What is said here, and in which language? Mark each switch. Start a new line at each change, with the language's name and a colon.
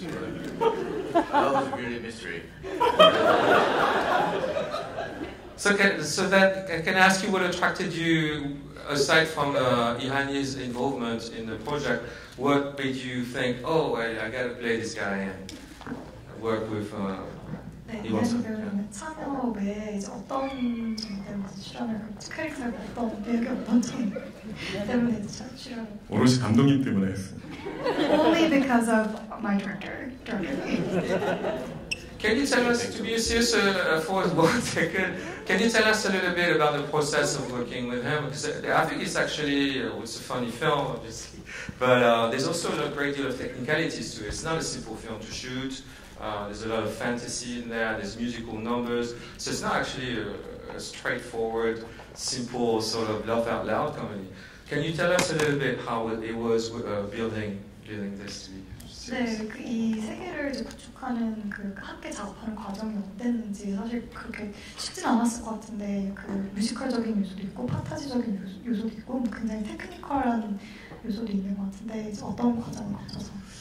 English: That was really a mystery. So can I ask you what attracted you, aside from Ihani's involvement in the project, what made you think, oh, I got to play this guy and work with...
Korean: 네, 이한희 배우님의 참여에 이제 어떤 점 때문에 출연을 그 캐릭터가 어떤 배역이 어떤 점 때문에 출연을 오롯이 감독님 때문에 했어요.
English: Only because of my director. Can you tell us, to be serious for 1 second, can you tell us a little bit about the process of working with him? Because I think it's actually it's a funny film, obviously, but there's also a great deal of technicalities to it. It's not a simple film to shoot. There's a lot of fantasy in there, there's musical numbers, so it's not actually a straightforward, simple sort of laugh out loud comedy. Can you tell us a little bit how it was building this to be?
Korean: 네, 그 이 세계를 이제 구축하는 그 함께 작업하는 과정이 어땠는지 사실 그렇게 쉽진 않았을 것 같은데 그 뮤지컬적인 요소도 있고 판타지적인 요소도 있고 굉장히 테크니컬한 요소도 있는 것 같은데 이제 어떤 과정을 거쳐서?